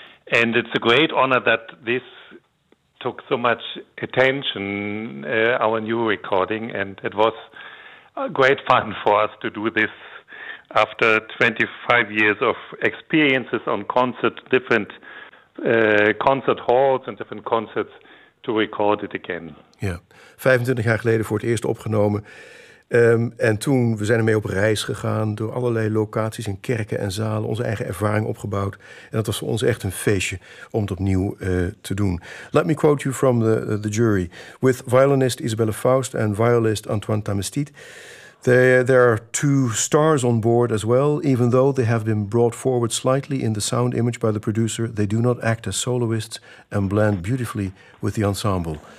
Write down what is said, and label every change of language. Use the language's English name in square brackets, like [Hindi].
[English] And it's a great honor that this took so much attention, our new recording, and it was great fun for us to do this after 25 years of experiences on concert, different concert halls and different concerts, to record it again. [Dutch] Ja, 25 jaar geleden voor het eerst opgenomen. En toen, we zijn ermee op reis gegaan door allerlei locaties in kerken en zalen, onze eigen ervaring opgebouwd. En dat was voor ons echt een feestje om het opnieuw te doen. [English] Let me quote you from the jury. With violinist Isabelle Faust and violist Antoine Tamestit, There are two stars on board as well. Even though they have been brought forward slightly in the sound image by the producer, they do not act as soloists and blend beautifully with the ensemble.